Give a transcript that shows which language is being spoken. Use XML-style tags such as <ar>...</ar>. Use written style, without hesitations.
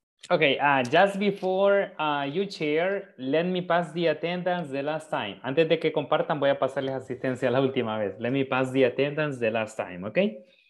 <en>Okay, just before you chair, let me pass the attendance the last time.</en> <es>Antes de que compartan, voy a pasarles asistencia la última vez.</es> <en>Let me pass the attendance the last time, okay?</en>